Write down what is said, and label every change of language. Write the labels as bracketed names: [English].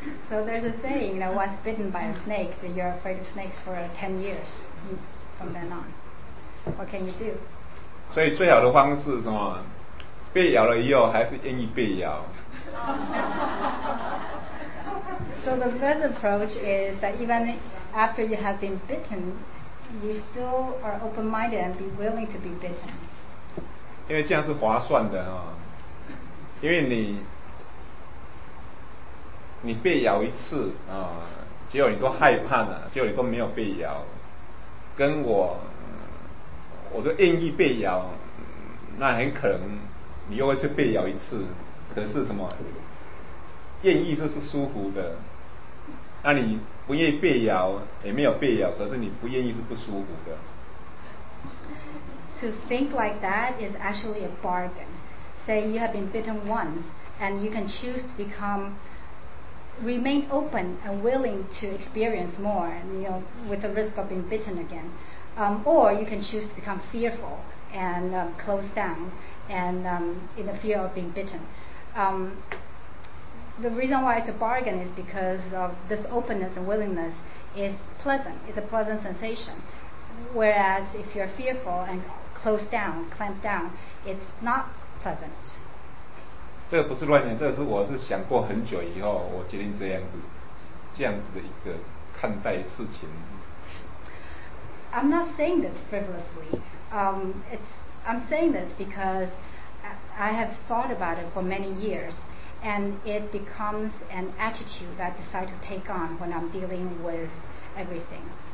[English] So there's a saying that once bitten by a snake, that you're afraid of snakes for 10 years from then on. What can you do? [Chinese] 所以最好的方式是什么？被咬了以后还是愿意被咬。 [English] So the best approach is that even after you have been bitten, you still are open-minded and be willing to be bitten. [Chinese] 因为这样是划算的啊，因为你被咬一次啊，结果你都害怕了，结果你都没有被咬，跟我都愿意被咬，那很可能你又会去被咬一次，可是什么愿意就是舒服的，那你不愿意被咬也没有被咬，可是你不愿意是不舒服的。 [English] To think like that is actually a bargain. Say you have been bitten once and you can choose to become remain open and willing to experience more, you know, with the risk of being bitten again. Or you can choose to become fearful and close down and in the fear of being bitten. The reason why it's a bargain is because of this openness and willingness is pleasant. It's a pleasant sensation. Whereas if you're fearful and close down, clamped down, it's not pleasant. [Chinese] 这个不是乱想，这个是我是想过很久以后，我决定这样子的一个看待事情。 [English] I'm not saying this frivolously. I'm saying this because I have thought about it for many years, and it becomes an attitude that I decide to take on when I'm dealing with everything.